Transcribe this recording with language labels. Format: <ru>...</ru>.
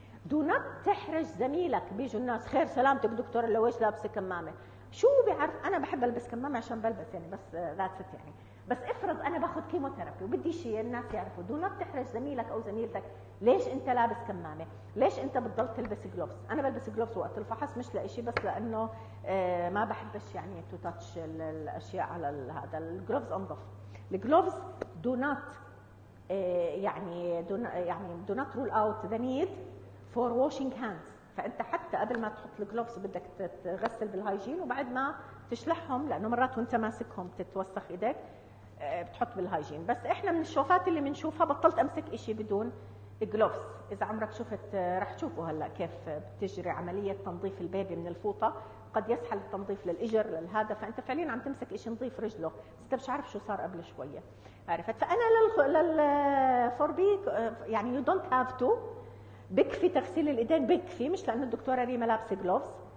<ar>Do not تحرج زميلك. بيجوا الناس خير سلامتك دكتور اللي ويش لابس كمامة، شو بيعرف؟ أنا بحب ألبس كمامة عشان بلبس يعني، بس that's it يعني. بس افرض أنا باخد كيموثيرابي وبدي شيء الناس يعرفوا، do not تحرج زميلك أو زميلتك، ليش أنت لابس كمامة؟ ليش أنت بتضل تلبس جلوفز؟ أنا بلبس جلوفز وقت الفحص، مش لإشي، بس لأنه ما بحبش يعني</ar> <en>to touch</en> <ar>الأشياء على هذا. الجلوفز أنظف.</ar> <en>الجلوفز do not يعني do not rule out the need for washing hands.</en> <ar>فأنت حتى قبل ما تحط الجلوفز بدك تغسل بالهايجين، وبعد ما تشلحهم، لأنه مرات وانت ماسكهم تتوسخ إيدك، بتحط بالهايجين. بس احنا من الشوفات اللي بنشوفها بطلت امسك اشي بدون جلوفز. اذا عمرك شفت رح تشوفوا هلا كيف بتجري عمليه تنظيف البيبي من الفوطه، قد يسحل التنظيف للاجر للهذا، فانت فعليا عم تمسك اشي نظيف رجله، بس انت مش عارف شو صار قبل شويه، عرفت؟ فانا للفوربي يعني</ar> <en>you don't have to,</en> <ar>بكفي تغسيل الايدين بكفي، مش لانه الدكتوره ريما لابسه جلوفز.</ar>